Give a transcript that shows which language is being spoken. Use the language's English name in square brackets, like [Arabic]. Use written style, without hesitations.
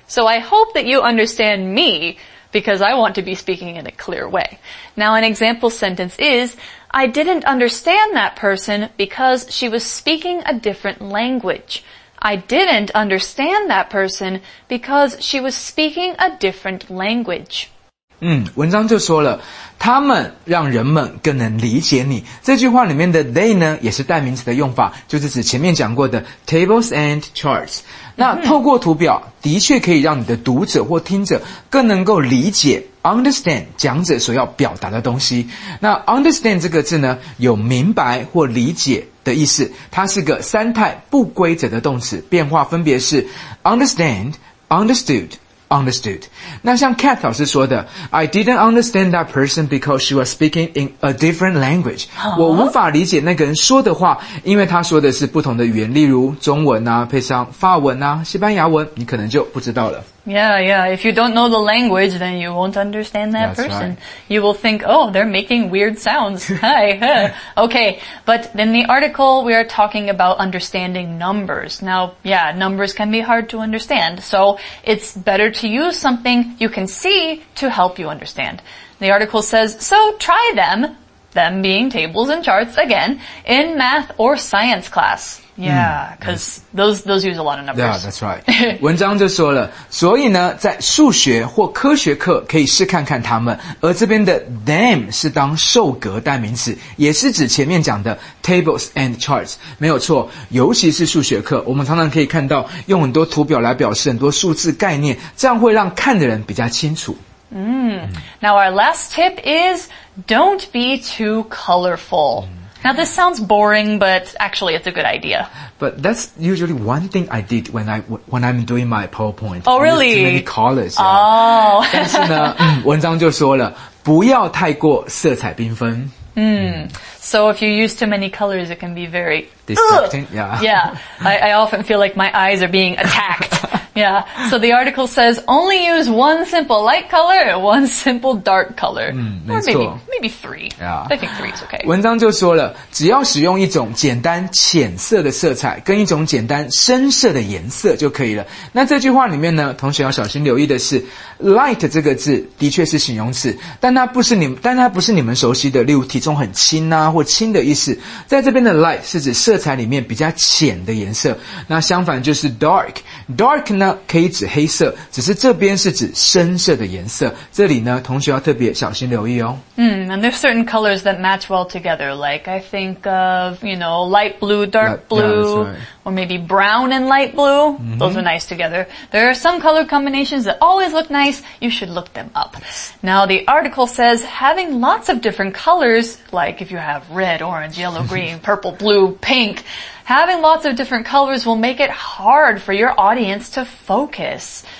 [English] So I hope that you understand me because I want to be speaking in a clear way. Now, an example sentence is, I didn't understand that person because she was speaking a different language. I didn't understand that person because she was speaking a different language. [Chinese] 文章就说了，他们让人们更能理解你。这句话里面的 they 呢，也是代名词的用法，就是指前面讲过的 [English] tables and charts。 [Chinese] 那透过图表，的确可以让你的读者或听者更能够理解 understand 讲者所要表达的东西。那 understand 这个字呢，有明白或理解的意思，它是个三态不规则的动词，变化分别是 understand、understood。Understood. 那像 Kat 老师说的 [English] I didn't understand that person because she was speaking in a different language. [Chinese] 我无法理解那个人说的话，因为他说的是不同的语言，例如中文啊，配上法文啊，西班牙文，你可能就不知道了。 [English] Yeah, yeah. If you don't know the language, then you won't understand that person. You will think, oh, they're making weird sounds. Hi. Okay. But in the article, we are talking about understanding numbers. Now, yeah, numbers can be hard to understand. So it's better to use something you can see to help you understand. The article says, so try them, them being tables and charts again, in math or science class. Yeah, because those use a lot of numbers. Yeah, that's right. [Chinese] 文章就说了，所以呢，在数学或科学课可以试看看他们。而这边的 them 是当受格代名词，也是指前面讲的 [English] tables and charts。 [Chinese] 没有错，尤其是数学课，我们常常可以看到用很多图表来表示很多数字概念，这样会让看的人比较清楚。 [English] Now our last tip is don't be too colorful. Now, this sounds boring, but actually, it's a good idea. But that's usually one thing I did when I'm doing my PowerPoint. Oh, really? Too many colors. Oh. [Chinese] 但是呢，文章就说了，不要太过色彩缤纷。 [English] So if you use too many colors, it can be very... Distracting, yeah. Yeah, I often feel like my eyes are being attacked. Yeah, so the article says, only use one simple light color, one simple dark color. [Chinese] 没错。 [English] Or maybe three. Yeah. I think three is okay. [Chinese] 文章就说了，只要使用一种简单浅色的色彩跟一种简单深色的颜色就可以了。那这句话里面呢，同学要小心留意的是 light 这个字的确是形容词，但它不是你们熟悉的例如体重很轻啊或轻的意思。在这边的 light 是指色彩里面比较浅的颜色，那相反就是 dark。 Dark 呢可以指黑色，只是这边是指深色的颜色，这里呢同学要特别小心留意哦。 [English] And there's certain colors that match well together, like I think of, you know, light blue, dark blue, or maybe brown and light blue. Those are nice together. There are some color combinations that always look nice. You should look them up. Now, the article says having lots of different colors, like if you have red, orange, yellow, green, purple, blue, pink, having lots of different colors will make it hard for your audience to focus.